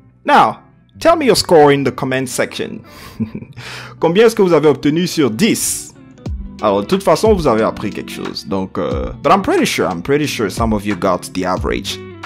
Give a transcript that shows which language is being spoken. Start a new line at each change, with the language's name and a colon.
English: Now, tell me your score in the comment section.
French: Combien est-ce que vous avez obtenu sur 10? Alors, de toute façon, vous avez appris quelque chose.
English: Donc, but I'm pretty sure some of you got the average.